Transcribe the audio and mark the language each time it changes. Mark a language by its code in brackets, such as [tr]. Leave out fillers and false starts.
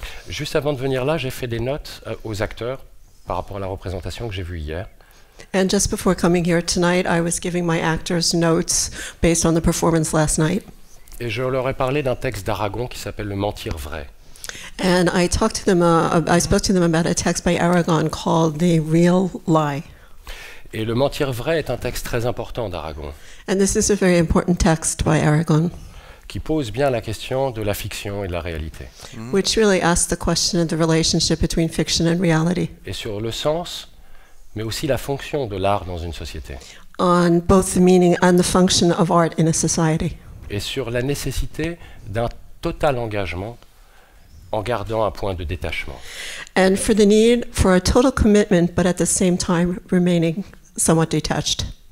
[fr] Juste avant de venir là, j'ai fait des notes aux acteurs par rapport à la représentation que j'ai vue hier. [en] And just before coming here tonight, I was giving my actors notes based on the performance last night. [fr] Et je leur ai parlé d'un texte d'Aragon qui s'appelle Le Mentir Vrai. [en] And I talked to them, I spoke to them about a text by Aragon called The Real Lie. [fr] Et Le Mentir Vrai est un texte très important d'Aragon. [en] And this is a very important text by Aragon. [fr] qui pose bien la question de la fiction et de la réalité. [en] Which really asks the question of the relationship between fiction and reality. [fr] Et sur le sens, mais aussi la fonction de l'art dans une société. [en] On both the meaning and the function of art in a society. [fr] Et sur la nécessité d'un total engagement en gardant un point de détachement. [en] And for the need for a total commitment, but at the same time remaining somewhat detached.